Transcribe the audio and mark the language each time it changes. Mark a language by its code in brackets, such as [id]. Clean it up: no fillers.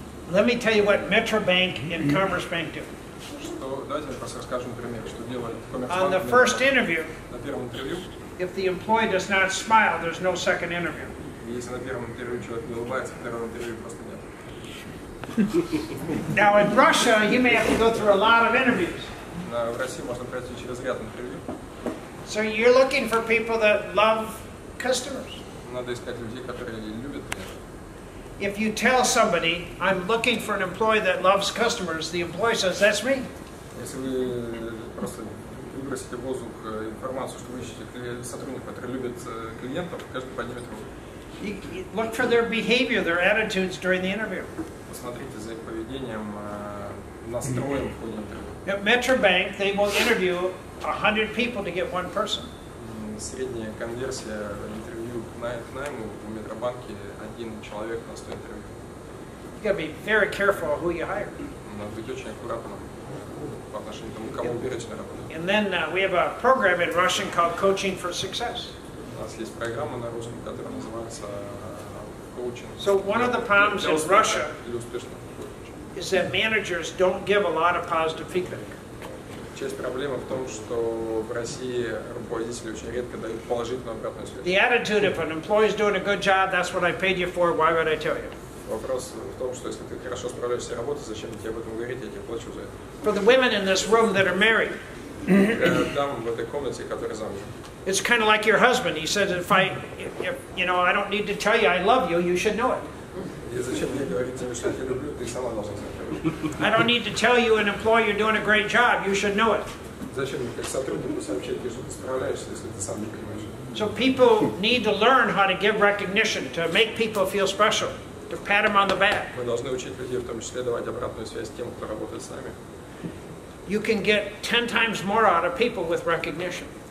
[en] Let me tell you what Metro Bank and Commerce Bank do. [ru] Давайте я просто расскажу, например, что делает коммерсант на первом интервью. Если на первом интервью человек не улыбается, на первом интервью просто нет. [en] Now in Russia you may have to go through a lot of interviews. [ru] В России можно пройти через ряд интервью. [en] So you're looking for people that love customers. [ru] Надо искать людей, которые любят клиентов. [en] If you tell somebody, I'm looking for an employee that loves customers, the employee says, that's me. [ru] Если вы просто выбросите в воздух информацию, что вы ищете сотрудников, которые любят клиентов, каждый поднимет руку. [en] Look for their behavior, their attitudes during the interview. [ru] Посмотрите за их поведением, настроем в ходе интервью. [en] At Metro Bank, they will interview 100 people to get one person. [ru] Средняя конверсия интервью к найму в Метробанке один человек на 100 интервью. [en] You gotta be very careful who you hire. [ru] Надо быть очень аккуратным по отношению к тому, кому уберете на работу. [en] And then we have a program in Russian called Coaching for Success. [ru] У нас есть программа на русском, которая называется Coaching. [en] So one of the problems in Russia is that managers don't give a lot of positive feedback. [ru] Часть проблемы в том, что в России руководители очень редко дают положительную обратную связь. [en] The attitude of an employee is doing a good job, that's what I paid you for, why would I tell you? [ru] Вопрос в том, что если ты хорошо справляешься с работой, зачем тебе об этом говорить, я тебе плачу за это. [en] For the women in this room that are married. [ru] Дам в этой комнате, которая замужем. [en] It's kind of like your husband. He says, if you know, I don't need to tell you I love you, you should know it. [ru] И зачем мне говорить тебе, что я тебя люблю, ты сама должна знать. [en] I don't need to tell you, an employee, you're doing a great job. You should know it. [ru] Зачем мне как сотруднику сообщать, что ты справляешься, если ты сам не понимаешь? [en] So people need to learn how to give recognition, to make people feel special, to pat them on the back. [ru] Мы должны учить людей, в том числе, давать обратную связь тем, кто работает с нами. [en] You can get 10 times more out of people with recognition.